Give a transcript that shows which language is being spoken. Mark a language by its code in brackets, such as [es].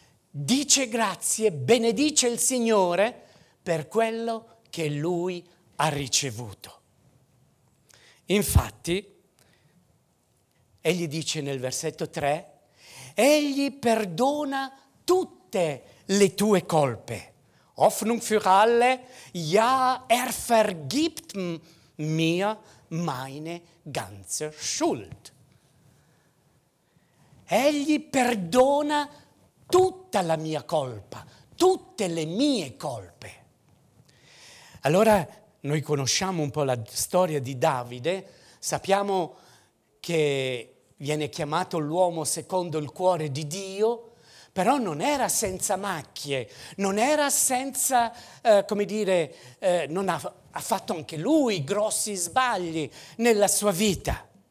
[it] Dice grazie, benedice il Signore per quello che lui ha ricevuto. Infatti, egli dice nel versetto 3, egli perdona tutte le tue colpe. [de] Hoffnung für alle, ja, vergibt mir meine ganze Schuld. [it] Egli perdona tutta la mia colpa, tutte le mie colpe. Allora, noi conosciamo un po' la storia di Davide, sappiamo che viene chiamato l'uomo secondo il cuore di Dio, però non era senza macchie, non era senza, ha fatto anche lui grossi sbagli nella sua vita.